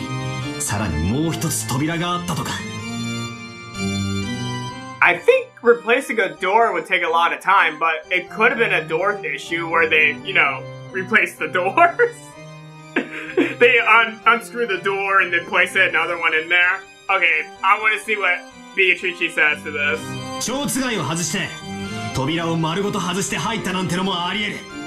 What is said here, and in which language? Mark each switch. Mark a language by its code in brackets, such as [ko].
[ja] もっとも魔法の力では開けられるがな。じゃあこうだ。扉自体がおかしかったんだ。施錠された状態のままでも通行できる仕掛けがあった。それが何かはいろいろ考えられる。お城の大扉に小さい入り口がついているように、さらにもう一つ扉があったとか。 [en] I think replacing a door would take a lot of time, but it could have been a door issue where they, you know, replace the doors. They unscrew the door and then place another one in there. Okay, I want to see what Beatrice says to this. [ja] 蝶子貝を外して、扉を丸ごと外して入ったなんてのもあり得る。